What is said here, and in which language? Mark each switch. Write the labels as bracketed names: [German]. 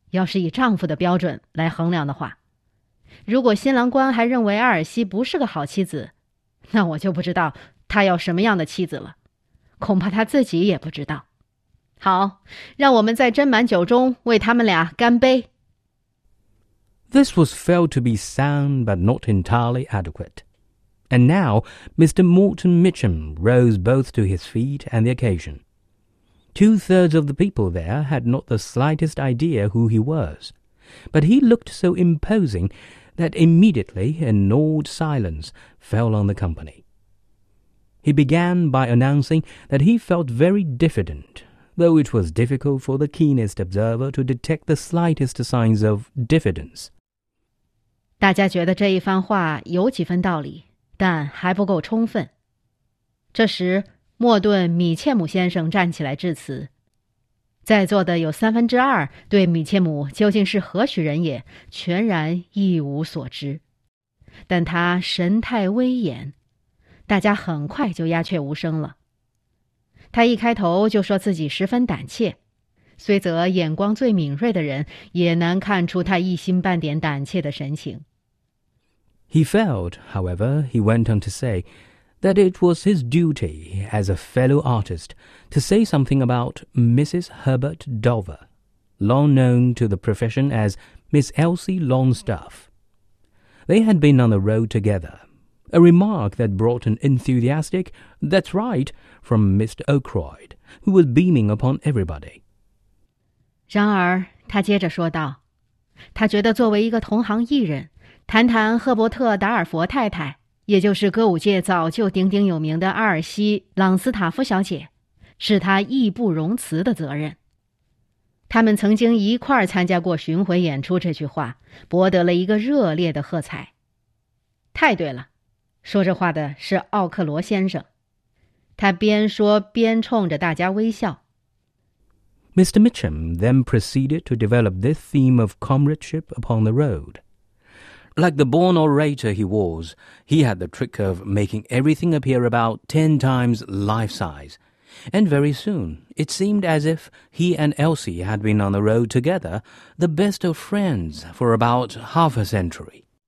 [Chinese] 要是以丈夫的标准来衡量的话，如果新郎官还认为埃尔西不是个好妻子，那我就不知道他要什么样的妻子了，恐怕他自己也不知道。好，让我们在斟满酒中为他们俩干杯。 [English] This was felt to be sound but not entirely adequate. And now, Mr. Morton Mitchum rose both to his feet and the occasion. Two-thirds of the people there had not the slightest idea who he was, but he looked so imposing that immediately an awed silence fell on the company. He began by announcing that he felt very diffident, though it was difficult for the keenest observer to detect the slightest signs of diffidence. [Chinese] 大家觉得这一番话有几分道理，但还不够充分。这时，莫顿·米切姆先生站起来致辞。在座的有三分之二对米切姆究竟是何许人也，全然一无所知。但他神态威严，大家很快就鸦雀无声了。他一开头就说自己十分胆怯，虽则眼光最敏锐的人也难看出他一心半点胆怯的神情。 [English] He felt, however, he went on to say, that it was his duty as a fellow artist to say something about Mrs. Herbert Dover, long known to the profession as Miss Elsie Longstaff. They had been on the road together, a remark that brought an enthusiastic, "That's right," from Mr. Oakroyd, who was beaming upon everybody. [Chinese] 然而，他接着说道，他觉得作为一个同行艺人，谈谈赫伯特·达尔佛太太，也就是歌舞界早就鼎鼎有名的阿尔西·朗斯塔夫小姐，是他义不容辞的责任。他们曾经一块儿参加过巡回演出，这句话博得了一个热烈的喝彩。太对了，说这话的是奥克罗先生。他边说边冲着大家微笑。 [English] Mr. Mitchum then proceeded to develop this theme of comradeship upon the road. Like the born orator he was, he had the trick of making everything appear about 10 times life-size. And very soon, it seemed as if he and Elsie had been on the road together, the best of friends, for about 50 centuries.